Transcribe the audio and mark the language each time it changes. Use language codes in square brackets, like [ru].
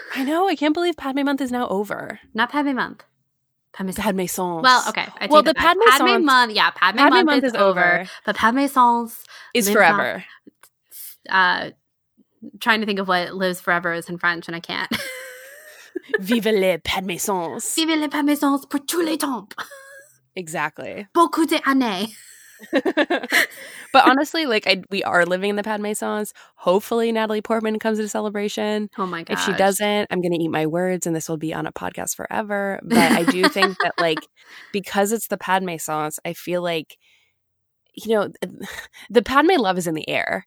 [en] I know. I can't believe Padme Month is now over. Not Padme Month. Padme Sans. Well, okay. Padme Month is over. But Padme Sans is forever. Trying to think of what lives forever is in French, and I can't. [fr] Vive le Padme Sans. Vive le Padme Sans pour tous les temps. [en] Exactly. [fr] Beaucoup d'années. [en] But honestly, like, we are living in the Padme Sans. Hopefully Natalie Portman comes to the celebration. Oh my gosh. If she doesn't, I'm going to eat my words, and this will be on a podcast forever. But I do think that, like, because it's the Padme Sans, I feel like, you know, the Padme love is in the air.